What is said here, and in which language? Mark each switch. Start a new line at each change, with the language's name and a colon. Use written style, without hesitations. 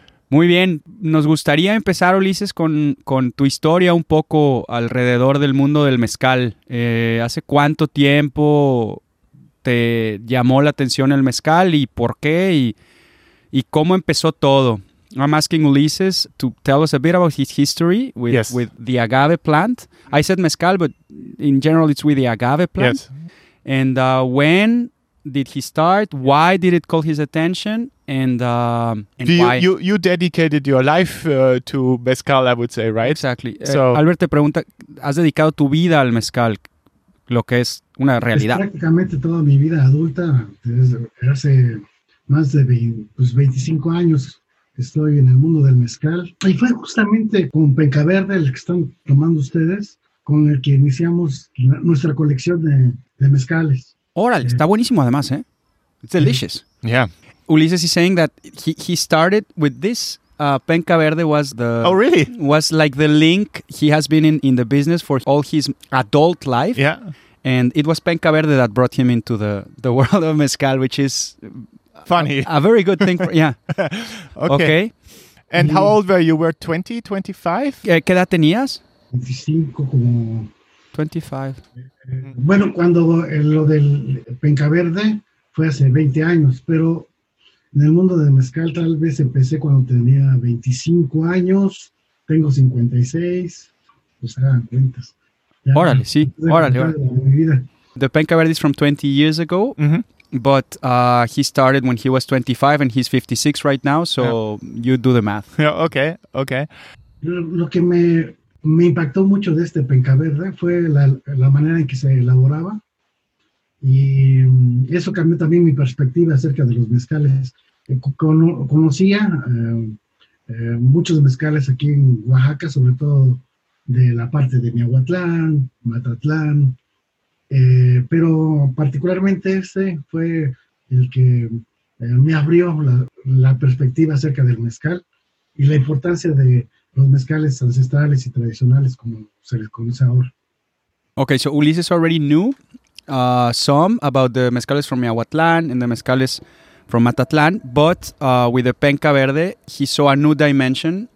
Spanish: Muy bien, nos gustaría empezar, Ulises, con tu historia un poco alrededor del mundo del mezcal. ¿Hace cuánto tiempo te llamó la atención el mezcal y por qué y cómo empezó todo?
English: I'm asking Ulises to tell us a bit about his history with the agave plant. I said mezcal, but in general it's with the agave plant. Yes. And when did he start? Why did it call his attention? And why? You dedicated your life to mezcal, I would say, right? Exactly.
Spanish: So Albert te pregunta, ¿has dedicado tu vida al mezcal? Lo que es una realidad. Pues prácticamente toda mi vida adulta, desde hace más de 25 años, estoy en el mundo del mezcal. Y fue justamente con Penca Verde, el que están tomando ustedes, con el que iniciamos nuestra colección de mezcales. Órale, está buenísimo además, ¿eh?
English: It's delicious. Yeah. Ulises is saying that he started with this. Penca Verde was the... Oh, really? Was like the link. He has been in the business for all his adult life. Yeah. And it was Penca Verde that brought him into the world of mezcal, which is... Funny. A very good thing. Okay. And how old were you? Were 20, 25?
Spanish: ¿Qué edad tenías? 25, como... 25. Bueno, cuando lo del Penca Verde fue hace 20 años, pero... En el mundo de mezcal tal vez empecé cuando tenía 25 años, tengo 56, pues hagan cuentas. Órale, sí, órale.
English: The Penca Verde is from 20 years ago, but he started when he was 25 and he's 56 right now, so you do the math. Yeah, okay.
Spanish: Lo que me impactó mucho de este Penca Verde fue la manera en que se elaboraba. Y eso cambió también mi perspectiva acerca de los mezcales. Conocía muchos mezcales aquí en Oaxaca, sobre todo de la parte de Miahuatlán, Matatlán, pero particularmente ese fue el que me abrió la perspectiva acerca del mezcal y la importancia de los mezcales ancestrales y tradicionales como se les conoce ahora.
English: Okay, so Ulises already knew some about the mezcales from Miahuatlán and the mezcales from Matatlán, but with the Penca Verde, he saw a new dimension.